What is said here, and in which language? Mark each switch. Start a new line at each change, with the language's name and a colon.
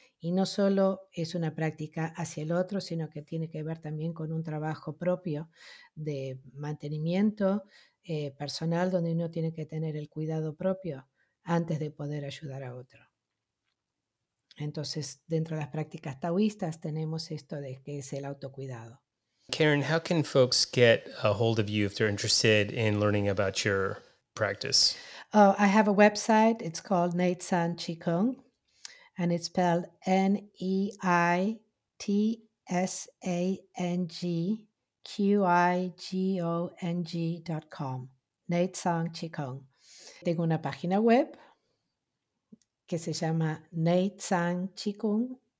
Spanish: Y no solo es una práctica hacia el otro, sino que tiene que ver también con un trabajo propio de mantenimiento personal, donde uno tiene que tener el cuidado propio antes de poder ayudar a otro. Entonces, dentro de las prácticas taoístas tenemos esto de que es el autocuidado.
English: Karin, how can folks get a hold of you if they're interested in learning about your practice? Oh, I have a website. It's called Nei Tsang Chi Kung, and it's spelled NEITSANGQIGONG.com. Nei Tsang Chi Kung.
Spanish: Tengo una página web que se llama Nei Tsang Chi Kung.